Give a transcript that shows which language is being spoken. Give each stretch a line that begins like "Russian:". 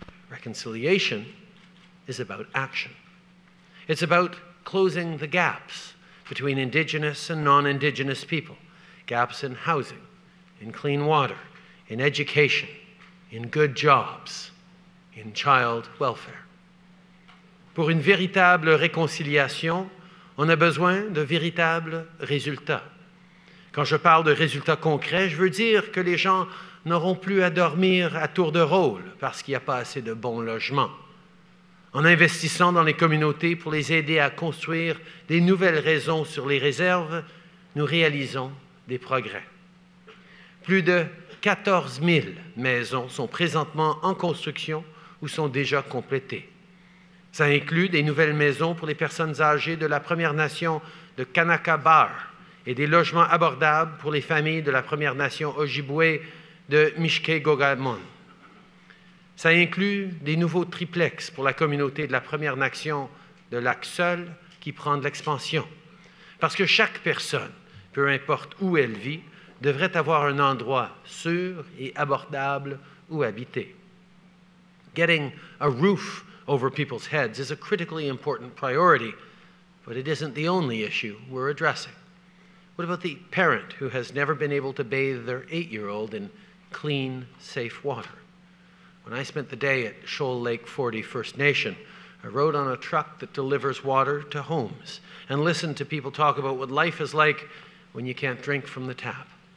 English: Reconciliation is about action. It's about closing the gaps between Indigenous and non-Indigenous people, gaps in housing, in clean water, in education, in good jobs, in child welfare.
French: Pour une véritable réconciliation, on a besoin de véritables résultats. Quand je parle de résultats concrets, je veux dire que les gens n'auront plus à dormir à tour de rôle parce qu'il n'y a pas assez de bons logements. En investissant dans les communautés pour les aider à construire des nouvelles raisons sur les réserves, nous réalisons des progrès. Plus de 14 000 maisons sont présentement en construction ou sont déjà complétées. Ça inclut des nouvelles maisons pour les personnes âgées de la Première Nation de Kanaka-Bar et des logements abordables pour les familles de la Première Nation Ojibwe de Mishkegogamon. Ça inclut des nouveaux triplex pour la communauté de la Première Nation de Lac-Seul qui prend de l'expansion. Parce que chaque personne, peu importe où elle vit, devrait avoir un endroit sûr et abordable où habiter.
English: Getting a roof over people's heads is a critically important priority, but it isn't the only issue we're addressing. What about the parent who has never been able to bathe their 8-year-old in clean, safe water? When I spent the day at Shoal Lake 40 First Nation, I rode on a truck that delivers water to homes and listened to people talk about what life is like when you can't drink from the tap.